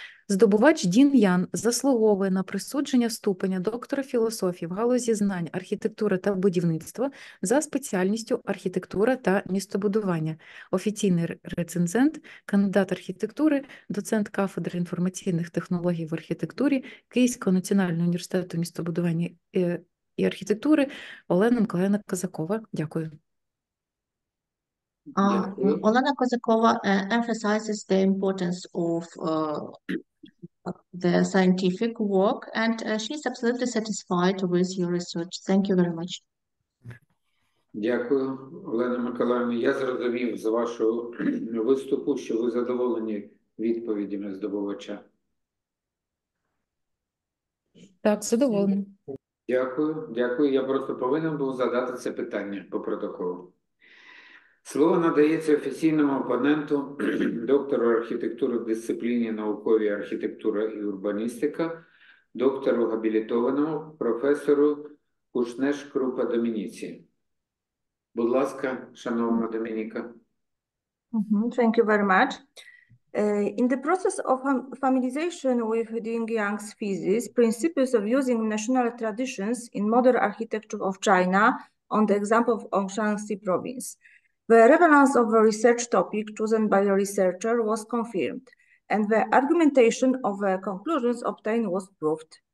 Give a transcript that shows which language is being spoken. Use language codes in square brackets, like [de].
[uk] Здобувач Дін Ян заслуговує на присудження ступеня доктора філософії в галузі знань архітектури та будівництва за спеціальністю архітектура та містобудування. Офіційний рецензент, кандидат архітектури, доцент кафедри інформаційних технологій в архітектурі Київського національного університету містобудування і архітектури Олена Миколаївна Козакова. Дякую. [en] Олена Козакова emphasizes the importance of the scientific work, and she's absolutely satisfied with your research. Thank you very much. [uk] Дякую, Олена Миколаївна. Я зрозумів з вашого виступу, що ви задоволені відповідями здобувача. Так, задоволені. Дякую, дякую. Я просто повинен був задати це питання по протоколу. Слово надається офіційному опоненту, доктору архітектури в дисципліні наукові архітектура і урбаністика, доктору габілітованому, професору Кушнеш Крупа Домініці. Будь ласка, шановна Домініка. [en] Thank you very much. In the process of familiarization with Ding Yang's thesis, principles of using national traditions in modern architecture of China on the example of Shaanxi province. The relevance of the research topic chosen by the researcher was confirmed, and the argumentation of the conclusions obtained was proved.